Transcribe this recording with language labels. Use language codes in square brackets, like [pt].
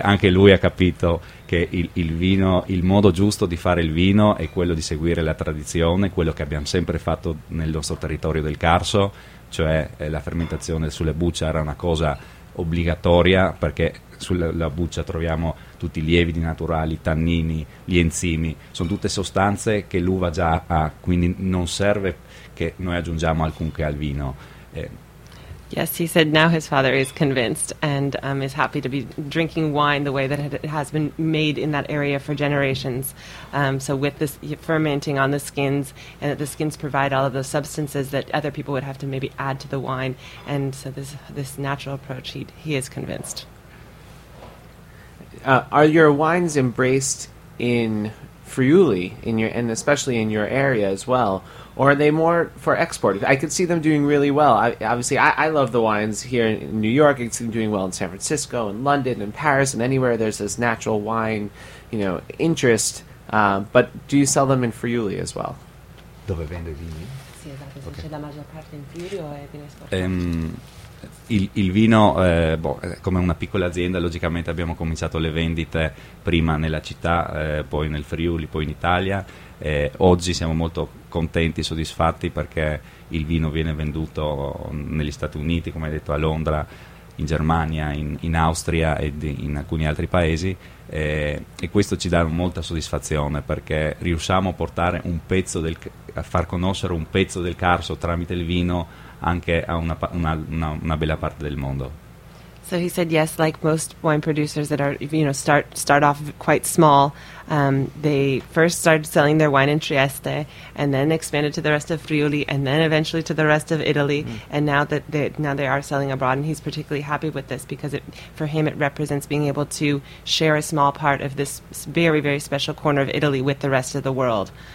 [it] Anche lui ha capito che il vino, il modo giusto di fare il vino è quello di seguire la tradizione, quello che abbiamo sempre fatto nel nostro territorio del Carso, cioè la fermentazione sulle bucce era una cosa obbligatoria, perché sulla buccia troviamo tutti i lieviti naturali, i tannini, gli enzimi, sono tutte sostanze che l'uva già ha, quindi non serve che noi aggiungiamo alcunché al vino. [en] Yes, he said now his father is convinced and is happy to be drinking wine the way that it has been made in that area for generations. So with this fermenting on the skins, and that the skins provide all of those substances that other people would have to maybe add to the wine. And so this natural approach, he is convinced. Are your wines embraced in Friuli, and especially in your area as well? Or are they more for export? I could see them doing really well. I love the wines here in New York. I could see them doing well in San Francisco and London and Paris and anywhere there's this natural wine, you know, interest. But do you sell them in Friuli as well? [it] Dove vende vini? Sì, esatto. Se c'è la maggior parte in Friuli o è ben esportato? Il vino, come una piccola azienda, logicamente abbiamo cominciato le vendite prima nella città, poi nel Friuli, poi in Italia. Oggi siamo molto contenti, soddisfatti, perché il vino viene venduto negli Stati Uniti, come hai detto, a Londra, in Germania, in Austria e in alcuni altri paesi, e questo ci dà molta soddisfazione, perché riusciamo a portare un pezzo a far conoscere un pezzo del Carso tramite il vino anche a una bella parte del mondo. [en] So he said yes, like most wine producers that are, you know, start off quite small, they first started selling their wine in Trieste and then expanded to the rest of Friuli and then eventually to the rest of Italy. Mm. And now that they are selling abroad, and he's particularly happy with this because for him it represents being able to share a small part of this very, very special corner of Italy with the rest of the world.